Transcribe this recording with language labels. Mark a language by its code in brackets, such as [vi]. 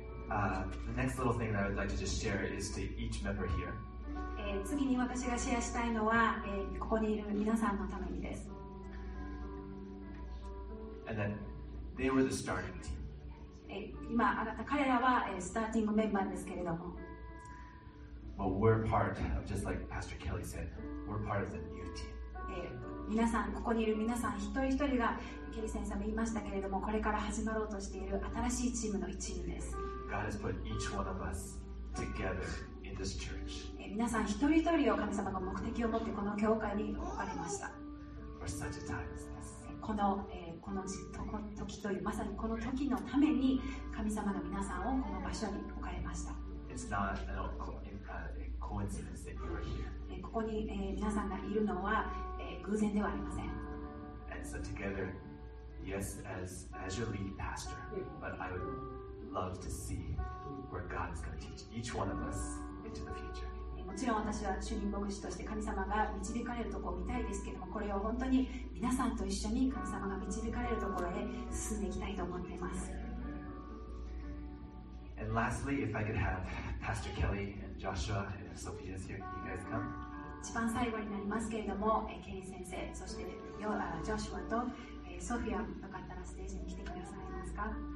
[en] The next little thing that I would like to just share is to each member here. [ja] 次に私がシェアしたいのは、ここにいる皆さんのためにです。 [en] And then they were the starting team. [ja] 今あなた彼らはスターティングメンバーですけれども、 [en] But we're part of, just like Pastor Kelly said, we're part of the new team. [ja] 皆さん、ここにいる皆さん一人一人が、ケリー先生も言いましたけれども、これから始まろうとしている新しいチームの一員です。 [en] God has put each one of us together in this church. [ja] 皆さん一人一人を神様が目的を持ってこの教会に置かれました。 [en] For such a time as this. [ja] この時という、まさにこの時のために神様が皆さんをこの場所に置かれました。 [en] It's not a coincidence that you are here. [ja] ここに皆さんがいるのは偶然ではありません。 [en] And so together, yes, as your lead pastor, but I would love to see where God is going to teach each one of us into the future. [ja] もちろん私は主任牧師として神様が導かれるところを見たいですけども、これを本当に皆さんと一緒に神様が導かれるところへ進んでいきたいと思っています。 [en] And lastly, if I could have Pastor Kelly and Joshua and Sophia here, can you guys come? [ja] 一番最後になりますけれども、ケリー先生、そしてヨーダー、ジョシュアとソフィア、よかったらステージに来てくださいますか。